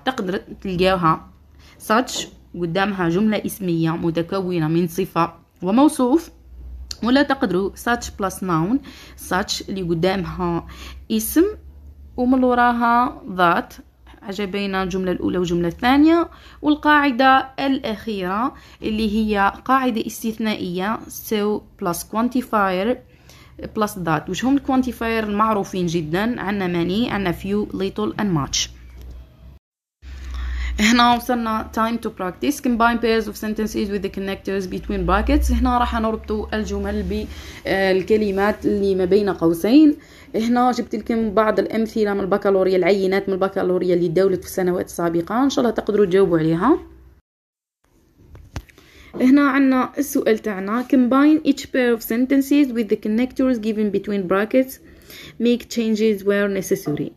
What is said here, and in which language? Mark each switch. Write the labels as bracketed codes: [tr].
[ar] تقدر تلقاها such قدامها جملة اسمية متكونة من صفة وموصوف، ولا تقدروا [en] such plus noun such [ar] اللي قدامها اسم ومن وراها that، عجبينا الجملة الأولى وجملة الثانية. والقاعدة الأخيرة اللي هي قاعدة استثنائية [en] so plus quantifier plus that. [ar] وش هم الكوانتيفاير المعروفين جدا؟ عنا many، عنا few، [en] little and much. [ar] هنا وصلنا [en] time to practice combine pairs of sentences with the connectors between brackets. [ar] هنا راح نربط الجمل بالكلمات اللي ما بين قوسين. هنا جبت لكم بعض الأمثلة من البكالوريا، العينات من البكالوريا اللي دولت في سنوات سابقة، إن شاء الله تقدروا تجاوبوا عليها. هنا عنا السؤال تاعنا [en] combine each pair of sentences with the connectors given between brackets make changes where necessary.